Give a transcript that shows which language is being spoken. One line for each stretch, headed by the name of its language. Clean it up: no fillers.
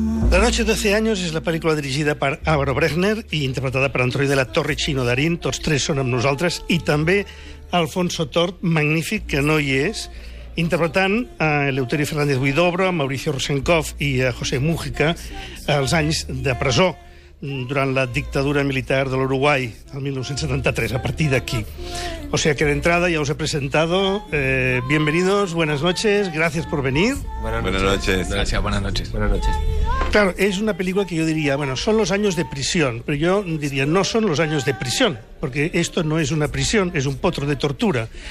Catalan: La noche de 12 años
Spanish: es la película
Catalan: dirigida per Álvaro Brechner i interpretada per Antoni de la Torre i Chino Darín. Tots tres són amb nosaltres. I també Alfonso Tort, magnífic, que no hi és, interpretant a Eleuterio Fernández Huidobro, a Mauricio Rosenkopf i a José Mújica als anys de presó durant la dictadura militar de l'Uruguai el 1973, a partir d'aquí.
Spanish: O sea que de entrada ya os he presentado. Bienvenidos, buenas noches, gracias por venir. Buenas noches. Gracias, buenas noches. Buenas noches. Claro, es una película que yo diría, bueno, son los años de prisión, pero yo diría, no son los años de prisión, porque esto no es una prisión, es un potro de tortura.